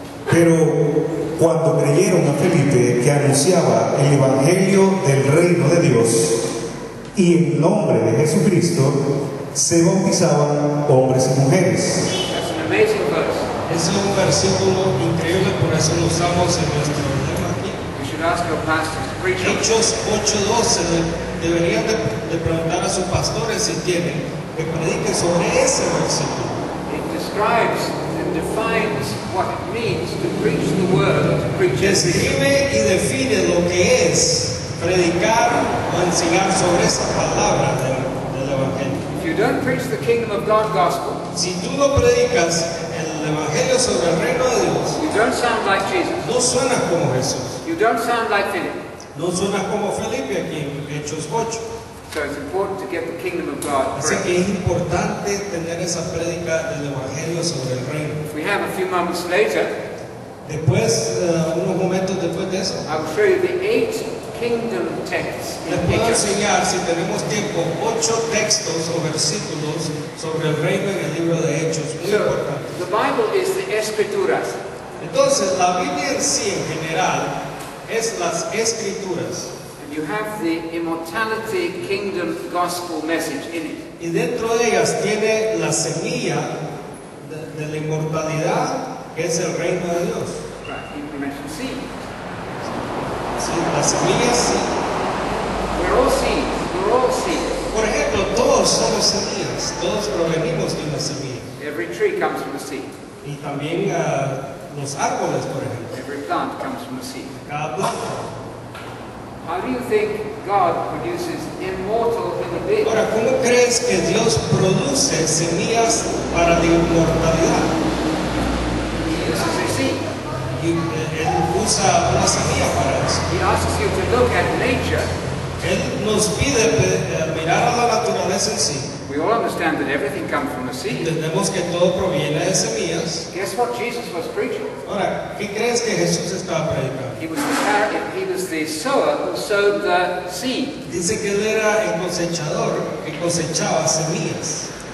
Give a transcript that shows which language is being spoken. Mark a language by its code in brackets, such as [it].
[es] Pero cuando creyeron a Felipe que anunciaba el Evangelio del Reino de Dios y en nombre de Jesucristo, se bautizaban hombres y mujeres. [en] That's an amazing verse. [es] Es un versículo increíble, por eso lo usamos en nuestro tema aquí. [en] You should ask your pastor to preach. [es] Hechos 8:12, deberían de preguntar a sus pastores si tienen que predique sobre ese versículo. [en] It describes defines what it means to preach the word, to preach Jesus. [es] Describe y define lo que es predicar o enseñar sobre esa palabra del Evangelio. [en] If you don't preach the kingdom of God gospel, [es] si tú no predicas el Evangelio sobre el reino de Dios, [en] you don't sound like Jesus. [es] No suenas como Jesús. [en] You don't sound like Philip. [es] No suenas como Felipe aquí en Hechos 8. [en] So it's important to get the kingdom of God. [es] Así que es importante tener esa prédica del Evangelio sobre el reino. [en] We have a few moments later. [es] Después, unos momentos después de eso. [en] I'll show you the eight kingdom texts. [es] Les puedo enseñar, si tenemos tiempo, ocho textos o versículos sobre el reino en el libro de Hechos. Muy importante. [en] The Bible is the Escrituras. [es] Entonces, la Biblia en sí, en general, es las Escrituras. [en] You have the immortality kingdom gospel message in it. [es] Y dentro de ellas tiene la semilla de la inmortalidad, que es el reino de Dios. [en] Right, information seed. [es] Sí, la semilla es seed. [en] We're all seeds. We're all seeds. [es] Por ejemplo, todos somos semillas. Todos provenimos de una semilla. [en] Every tree comes from a seed. [es] Y también los árboles, por ejemplo. [en] Every plant comes from a seed. [es] Cada planta. [en] How do you think God produces immortal in the beginning? [es] Ahora, ¿cómo crees que Dios produce semillas para la inmortalidad? [en] This is a seed. [es] Él usa una semilla para eso. [en] He asks you to look at nature. [es] Él nos pide mirar a la naturaleza en sí. [en] We all understand that everything comes from a seed. [es] Entendemos que todo proviene de semillas. [en] Guess what Jesus was preaching? [es] Ahora, ¿qué crees que Jesús estaba predicando? [en] He was the sower who sowed the seed. [es] Dice que él era el cosechador que cosechaba semillas.